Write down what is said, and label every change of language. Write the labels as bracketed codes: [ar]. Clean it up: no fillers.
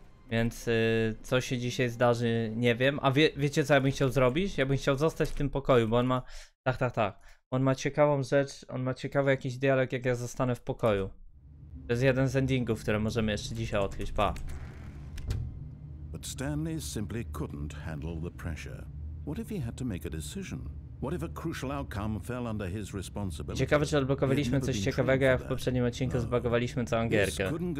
[pl] Więc co się dzisiaj zdarzy, nie wiem. A wiecie co ja bym chciał zrobić? Ja bym chciał zostać w tym pokoju, bo on ma... Tak. On ma ciekawą rzecz, on ma ciekawy jakiś dialog, jak ja zostanę w pokoju. To jest jeden z endingów, które możemy jeszcze dzisiaj odkryć, pa. [en] But Stanley simply couldn't handle the pressure. What if he had to make a decision? What if a crucial outcome fell under his responsibility? [pl] Ciekawe, czy odblokowaliśmy coś ciekawego, jak w poprzednim odcinku zbugowaliśmy całą gierkę.